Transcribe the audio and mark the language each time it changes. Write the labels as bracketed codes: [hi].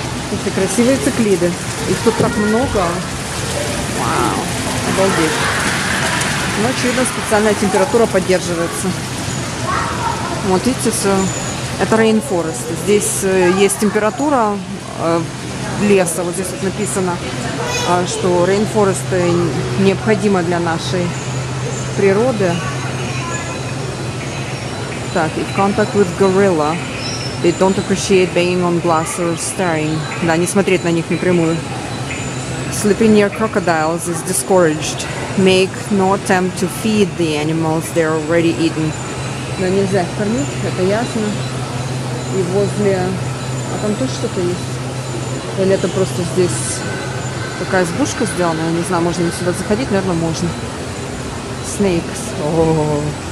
[ru] Какие красивые циклиды. Их тут так много. Вау, обалдеть. Ну, очевидно, специальная температура поддерживается. Вот видите, все... Это Rainforest. Здесь есть температура леса. Вот здесь вот написано, что Rainforest необходимо для нашей природы. [en] Так, in contact with gorilla. They don't appreciate banging on glass or staring. [ru] Да, не смотреть на них напрямую. [en] Sleeping near crocodiles is discouraged. Make no attempt to feed the animals. They're already eaten. [ru] Но нельзя их кормить, это ясно. И возле... А там тоже что-то есть? Или это просто здесь такая избушка сделана? Я не знаю, можно ли сюда заходить? Наверное, можно. Snakes. Вау.